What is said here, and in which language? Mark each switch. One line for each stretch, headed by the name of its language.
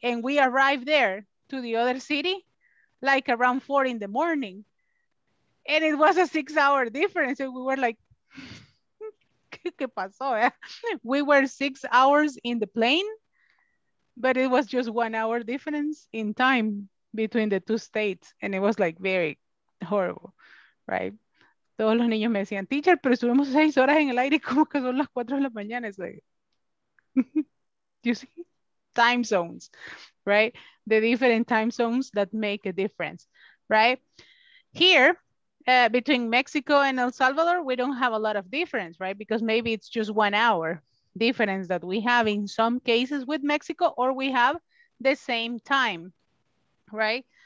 English: And we arrived there to the other city like around 4 in the morning, and it was a 6-hour difference. And we were like,
Spanish: ¿qué pasó, eh?
English: We were 6 hours in the plane, but it was just 1 hour difference in time between the two states. And it was like very horrible, right?
Spanish: Todos los niños me decían, teacher, pero estuvimos 6 horas en el aire, como que son las 4 de la mañana.
English: It's like, you see? Time zones, right? The different time zones that make a difference, right? Here, between Mexico and El Salvador, we don't have a lot of difference, right? Because maybe it's just 1 hour difference that we have in some cases with Mexico, or we have the same time, right?